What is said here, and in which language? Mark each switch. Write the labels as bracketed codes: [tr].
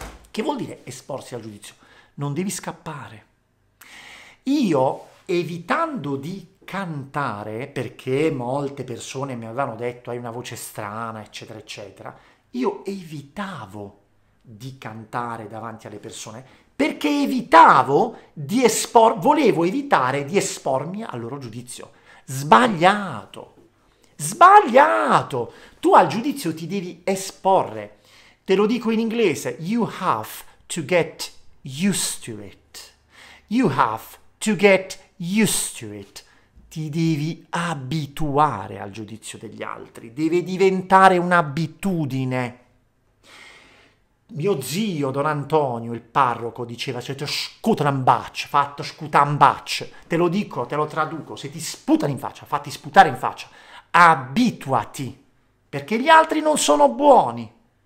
[it] Che vuol dire esporsi al giudizio? Non devi scappare. Io, evitando di cantare, perché molte persone mi avevano detto hai una voce strana, eccetera, eccetera, io evitavo di cantare davanti alle persone. Perché evitavo di espor, volevo evitare di espormi al loro giudizio. Sbagliato! Sbagliato! Tu al giudizio ti devi esporre. Te lo dico in inglese: [en] you have to get used to it. You have to get used to it. [it] Ti devi abituare al giudizio degli altri. Deve diventare un'abitudine. Mio zio Don Antonio, il parroco, diceva: se ti scutambacci, fatto scutambacci, te lo dico, te lo traduco, se ti sputano in faccia, fatti sputare in faccia, abituati, perché gli altri non sono buoni.